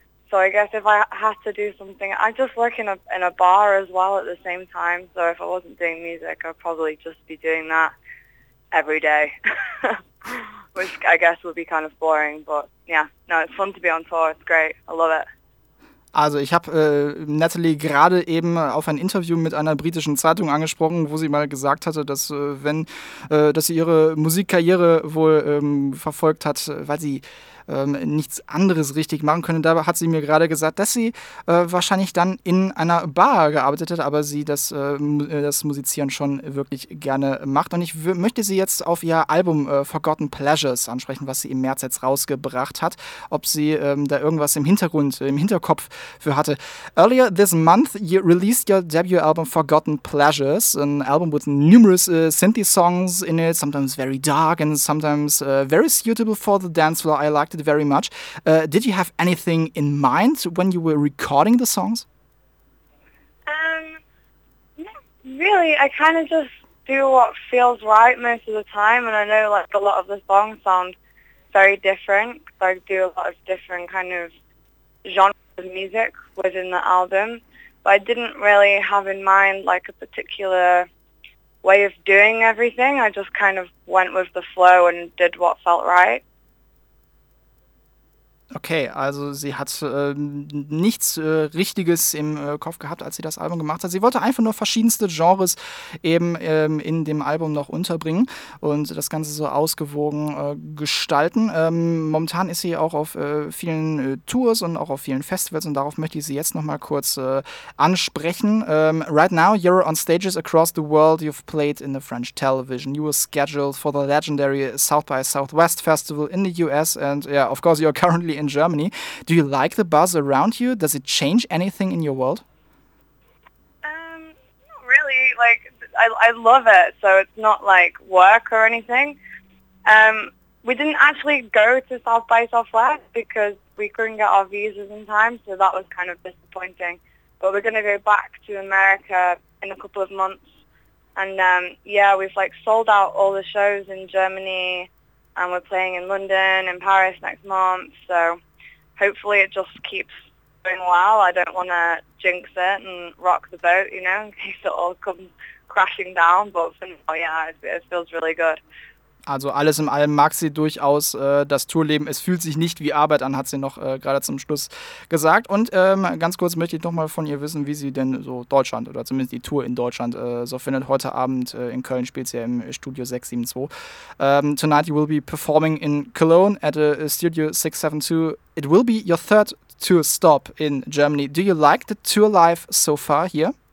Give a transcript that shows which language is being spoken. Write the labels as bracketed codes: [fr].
[en] So I guess if I had to do something, I just work in a bar as well at the same time. So if I wasn't doing music, I'd probably just be doing that every day, which I guess would be kind of boring. But yeah, no, it's fun to be on tour. It's great. I love it. [de] Also ich habe Natalie gerade eben auf ein Interview mit einer britischen Zeitung angesprochen, wo sie mal gesagt hatte, dass dass sie ihre Musikkarriere wohl verfolgt hat, weil sie nichts anderes richtig machen könnte. Da hat sie mir gerade gesagt, dass sie wahrscheinlich dann in einer Bar gearbeitet hat, aber sie das Musizieren schon wirklich gerne macht. Und ich möchte sie jetzt auf ihr Album Forgotten Pleasures ansprechen, was sie im März jetzt rausgebracht hat, ob sie da irgendwas im Hinterkopf für hatte. [en] Earlier this month you released your debut album Forgotten Pleasures, an album with numerous synthy songs in it, sometimes very dark and sometimes very suitable for the dance floor. I liked it very much. Did you have anything in mind when you were recording the songs? Not really. I kind of just do what feels right most of the time, and I know like a lot of the songs sound very different. So I do a lot of different kind of genres of music within the album, but I didn't really have in mind like a particular way of doing everything. I just kind of went with the flow and did what felt right. [de] Okay, also sie hat nichts Richtiges im Kopf gehabt, als sie das Album gemacht hat. Sie wollte einfach nur verschiedenste Genres eben in dem Album noch unterbringen und das Ganze so ausgewogen gestalten. Momentan ist sie auch auf vielen Tours und auch auf vielen Festivals und darauf möchte ich sie jetzt nochmal kurz ansprechen. [en] Right now you're on stages across the world. You've played in the French television. You were scheduled for the legendary South by Southwest Festival in the US and yeah, of course you're currently in Germany. Do you like the buzz around you? Does it change anything in your world? Not really. Like, I love it, so it's not like work or anything. We didn't actually go to South by Southwest because we couldn't get our visas in time, so that was kind of disappointing. But we're going to go back to America in a couple of months. And we've like sold out all the shows in Germany. And we're playing in London and Paris next month, so hopefully it just keeps going well. I don't want to jinx it and rock the boat, you know, in case it all comes crashing down. But for now, yeah, it feels really good. [de] Also alles in allem mag sie durchaus das Tourleben. Es fühlt sich nicht wie Arbeit an, hat sie noch gerade zum Schluss gesagt. Und ganz kurz möchte ich nochmal von ihr wissen, wie sie denn so Deutschland oder zumindest die Tour in Deutschland so findet. Heute Abend in Köln spielt sie ja im Studio 672. [en] Tonight you will be performing in Cologne at a Studio 672. It will be your third tour stop in Germany. Do you like the tour life so far here?